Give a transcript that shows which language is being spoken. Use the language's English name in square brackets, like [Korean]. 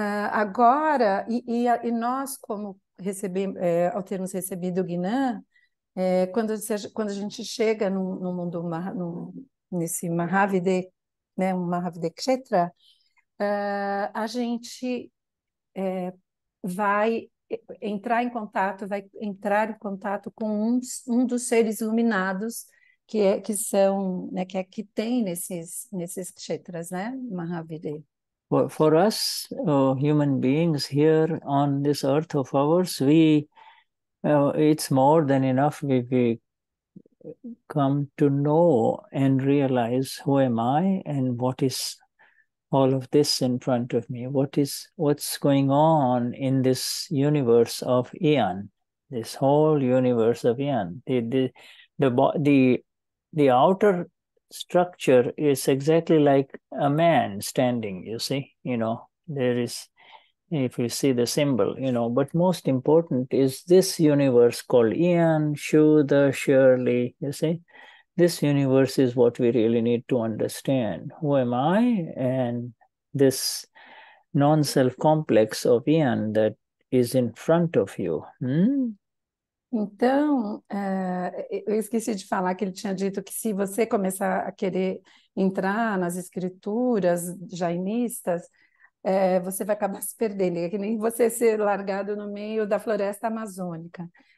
[Portuguese] Agora, e nós, como recebemos, ao termos recebido o Gnan, quando a gente chega no mundo, no, nesse Mahavide, né, um Mahavide Kshetra, a gente vai entrar em contato, com um dos seres iluminados que tem nesses Kshetras, né, Mahavide. [English] For us, human beings here on this earth of ours, it's more than enough. We come to know and realize who am I and what is all of this in front of me. What's going on in this universe of Aeon, this whole universe of Aeon. The outer structure is exactly like a man standing, you see, you know, there is, if you see the symbol, you know, but most important is this universe called Ian, Shuddha, Shirley, you see, this universe is what we really need to understand. Who am I? And this non-self complex of Ian that is in front of you. Hmm? [Portuguese] Então, eu esqueci de falar que ele tinha dito que se você começar a querer entrar nas escrituras jainistas, você vai acabar se perdendo. É que nem você ser largado no meio da floresta amazônica.